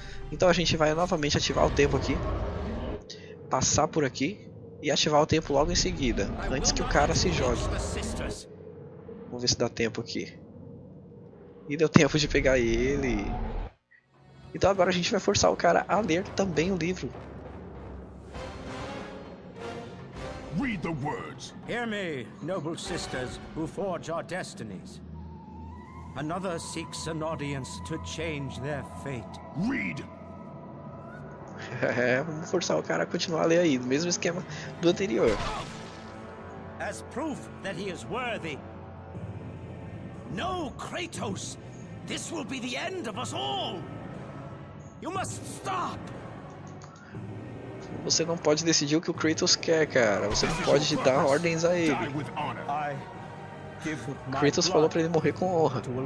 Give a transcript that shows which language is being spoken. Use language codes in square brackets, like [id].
[pt] Então a gente vai novamente ativar o tempo aqui. Passar por aqui e ativar o tempo logo em seguida, antes que o cara se jogue. Vamos ver se dá tempo aqui. E deu tempo de pegar ele. Então agora a gente vai forçar o cara a ler também o livro. [en] Read the words. Hear me, noble sisters who forge our destinies. Another seeks an audience to change their fate. Read. [pt] Vamos forçar o cara a continuar a ler aí, no mesmo esquema do anterior. [en] As proof that he is worthy. No, Kratos. This will be the end of us all. You must stop. [pt] Você não pode decidir o que o Kratos quer, cara. Você não pode dar ordens a ele. Kratos falou pra ele morrer com honra.